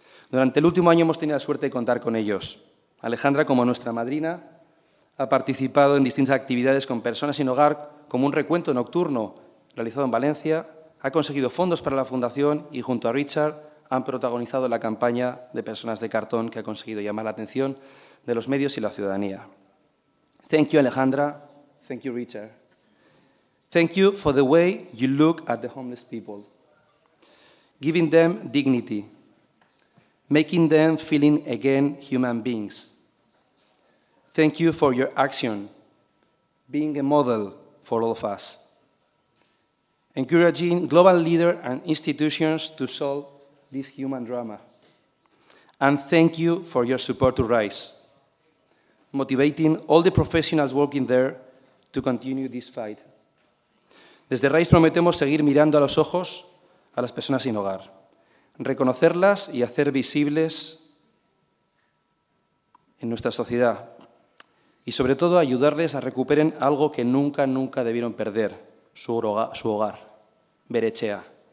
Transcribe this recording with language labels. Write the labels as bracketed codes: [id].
[es] Durante el último año hemos tenido la suerte de contar con ellos. Alejandra, como nuestra madrina, ha participado en distintas actividades con personas sin hogar, como un recuento nocturno realizado en Valencia, ha conseguido fondos para la Fundación y junto a Richard han protagonizado la campaña de personas de cartón que ha conseguido llamar la atención de los medios y la ciudadanía. [en] Thank you, Alejandra. Thank you, Richard. Thank you for the way you look at the homeless people, giving them dignity, making them feeling again human beings. Thank you for your action, being a model for all of us, encouraging global leaders and institutions to solve this human drama. And thank you for your support to RISE, motivating all the professionals working there to continue this fight. [es] Desde RISE prometemos seguir mirando a los ojos a las personas sin hogar, reconocerlas y hacer visibles en nuestra sociedad y sobre todo ayudarles a recuperen algo que nunca, nunca debieron perder, su hogar, Berechea.